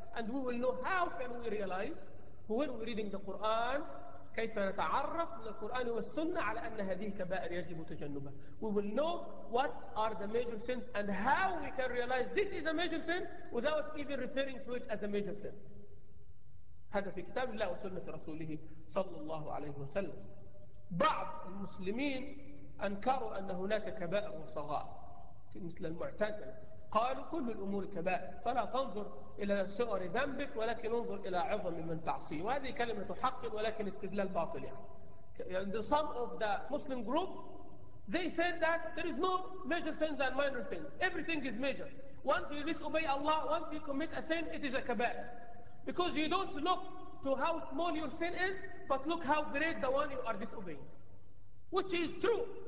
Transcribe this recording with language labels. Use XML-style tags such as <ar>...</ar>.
<en>And we will know how can we realize when we're reading the Quran,</en> <ar>كيف نتعرف للقرآن والسنة على أن هذه كبائر يجب تجنبها.</ar> <en>We will know what are the major sins and how we can realize this is a major sin without even referring to it as a major sin.</en> <ar>هذا في كتاب الله وسنة رسوله صلى الله عليه وسلم. بعض المسلمين أنكروا أن هناك كبائر وصغائر مثل المعتاد. قالوا كل الأمور كبائر، فلا تنظر إلى صغر ذنبك ولكن انظر إلى عظم من تعصيه. وهذه كلمة حق ولكن استدلال باطل.</ar> <en>يعني some of the Muslim groups, they said that there is no major sins and minor sins. Everything is major. Once you disobey Allah, once you commit a sin, it is a kabair. Because you don't look to how small your sin is, but look how great the one you are disobeying. Which is true.</en>